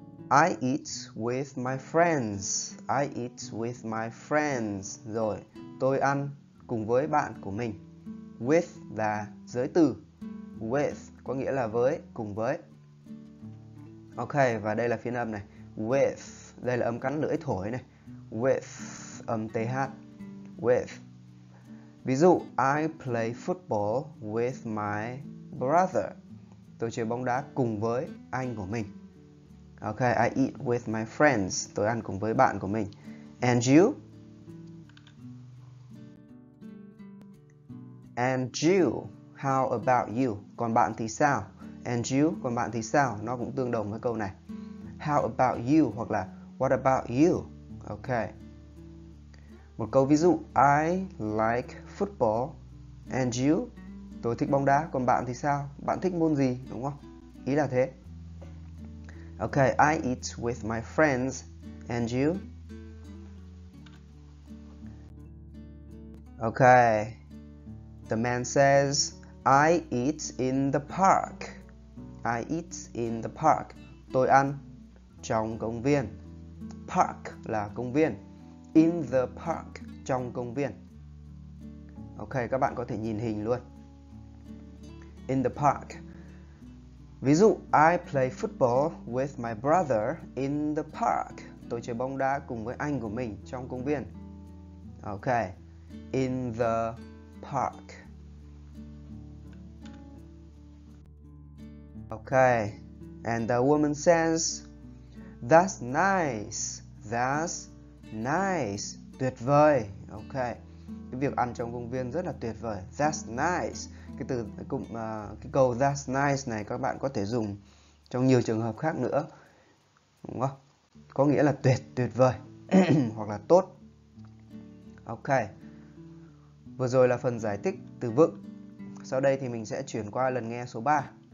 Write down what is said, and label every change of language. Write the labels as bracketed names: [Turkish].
[English] I eat with my friends. I eat with my friends. [Vietnamese] Rồi, tôi ăn cùng với bạn của mình. With là giới từ. With có nghĩa là với, cùng với. Ok, và đây là phiên âm này. With, đây là âm cắn lưỡi thổi này. With, âm TH. With. Ví dụ, [English] I play football with my brother. [Vietnamese] Tôi chơi bóng đá cùng với anh của mình. Ok, [English] I eat with my friends. [Vietnamese] Tôi ăn cùng với bạn của mình. [English] And you? And you? How about you? [Vietnamese] Còn bạn thì sao? [English] And you? Còn bạn thì sao? [Vietnamese] Nó cũng tương đồng với câu này. [English] How about you? [Vietnamese] Hoặc là [English] what about you? [Vietnamese] Ok. Một câu ví dụ. [English] I like football. And you? [Vietnamese] Tôi thích bóng đá. Còn bạn thì sao? Bạn thích môn gì? Đúng không? Ý là thế. Ok. [English] I eat with my friends. And you? Ok. The man says, I eat in the park. I eat in the park. [Vietnamese] Tôi ăn trong công viên. Park là công viên. [English] In the park, [Vietnamese] trong công viên. Ok, các bạn có thể nhìn hình luôn. [English] In the park. [Vietnamese] Ví dụ, [English] I play football with my brother in the park. [Vietnamese] Tôi chơi bóng đá cùng với anh của mình trong công viên. [English] Ok. In the park. Ok, and the woman says, that's nice, that's nice, [Vietnamese] tuyệt vời. Ok, cái việc ăn trong công viên rất là tuyệt vời. That's nice, cái từ cụm cái câu that's nice này các bạn có thể dùng trong nhiều trường hợp khác nữa, đúng không? Có nghĩa là tuyệt, tuyệt vời hoặc là tốt. Ok, vừa rồi là phần giải thích từ vựng, sau đây thì mình sẽ chuyển qua lần nghe số 3.